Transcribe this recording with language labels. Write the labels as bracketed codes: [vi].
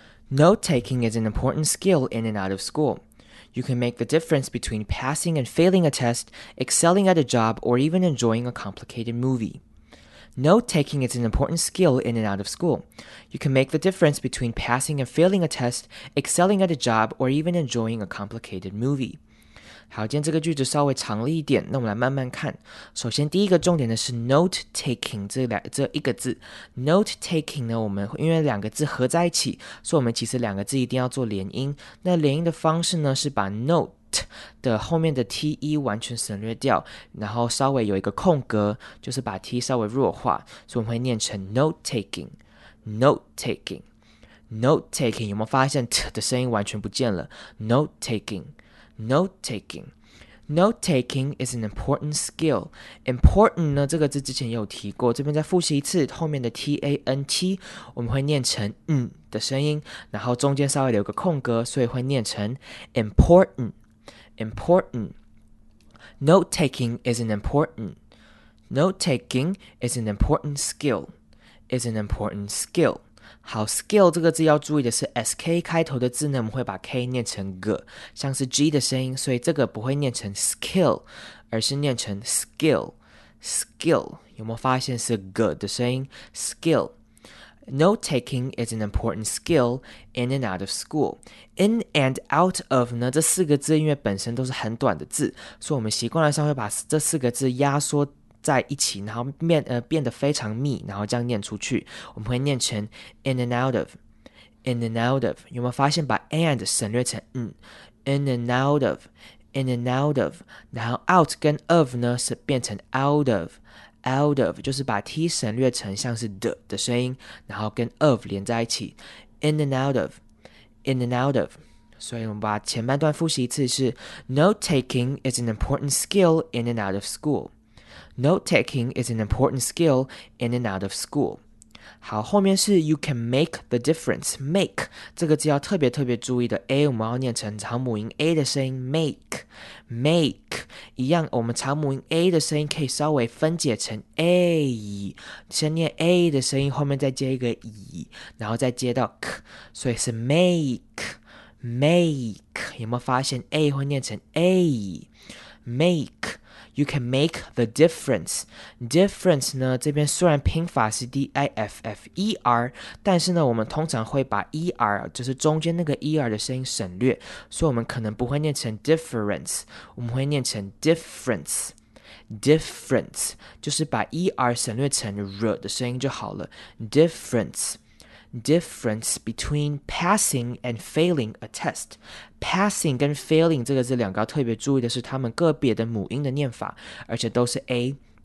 [en] Note-taking is an important skill in and out of school. You can make the difference between passing and failing a test, excelling at a job, or even enjoying a complicated movie. Note-taking is an important skill in and out of school. You can make the difference between passing and failing a test, excelling at a job, or even enjoying a complicated movie. [zh] 好，今天这个句子稍微长了一点，那我们来慢慢看。首先，第一个重点的是 note taking 这一个字。 note taking 呢，我们因为两个字合在一起，所以我们其实两个字一定要做连音。那连音的方式呢，是把 note 的后面的 te 完全省略掉，然后稍微有一个空格，就是把 t 稍微弱化，所以我们会念成 [en] note taking，note taking，note taking。 [zh] 有没有发现 t 的声音完全不见了 ？note taking。 [en] Note-taking. Note-taking is an important skill. [zh] Important 呢，这个字之前也有提过，这边再复习一次，后面的 T-A-N-T 我们会念成嗯的声音，然后中间稍微留个空格，所以会念成 important. [en] Important. Note-taking is an important. Note-taking is an important skill. Is an important skill. [zh] 好 ，skill 这个字要注意的是 ，sk 开头的字呢，我们会把 k 念成 g， 像是 g 的声音，所以这个不会念成 skill， 而是念成 skill。有没有发现是 g 的声音 ？skill。 [en] Note taking is an important skill in and out of school. [zh] In and out of 呢，这四个字因为本身都是很短的字，所以我们习惯上会把这四个字压缩。在一起，然后变得非常密，然后这样念出去，我们会念成 [en] in and out of, in and out of。 [zh] 有没有发现把 and 省略成嗯 ， [en] in and out of, in and out of。 [zh] 然后 out 跟 of 呢是变成 out of, out of， 就是把 t 省略成像是的声音，然后跟 of 连在一起 ， [en] in and out of, in and out of。 [zh] 所以我们把前半段复习一次是 [en] note taking is an important skill in and out of school。 Note-taking is an important skill in and out of school. [zh] 好，后面是 [en] you can make the difference. [zh] Make 这个字要特别特别注意的 ，a 我们要念成长母音 a 的声音 ， [en] make, make [zh] 一样，我们长母音 a 的声音可以稍微分解成 a， 先念 a 的声音，后面再接一个 e， 然后再接到 k， 所以是 make, make。有没有发现 a 会念成 a， make。 [en] You can make the difference. [zh] Difference 呢，这边虽然拼法是 D-I-F-F-E-R， 但是呢，我们通常会把 E-R， 就是中间那个 E-R 的声音省略，所以我们可能不会念成 difference， 我们会念成 difference。 Difference 就是把 E-R 省略成 R 的声音就好了。 [en] Difference。 Difference between passing and failing a test. [zh] Passing 跟 failing 这个字两个要特别注意的是他们个别的母音的念法，而且都是 a.